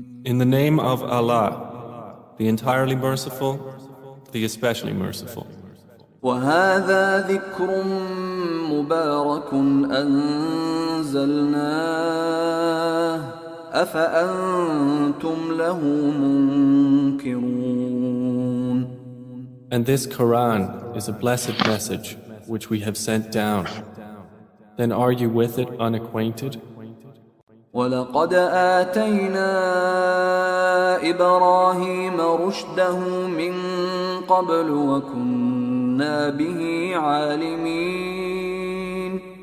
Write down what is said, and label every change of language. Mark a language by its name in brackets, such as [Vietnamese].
[English] In the name of Allah, the entirely merciful, the especially merciful. [Arabic] وهذا ذكر مبارك أنزلناه أفأنتم له منكرون. [English] And this Quran is a blessed message which we have sent down. Then are you with it unacquainted? [Arabic] وَلَقَدْ آتَيْنَا إِبْرَاهِيمَ رُشْدَهُ مِنْ قَبْلُ وَكُنَّا بِهِ عَالِمِينَ.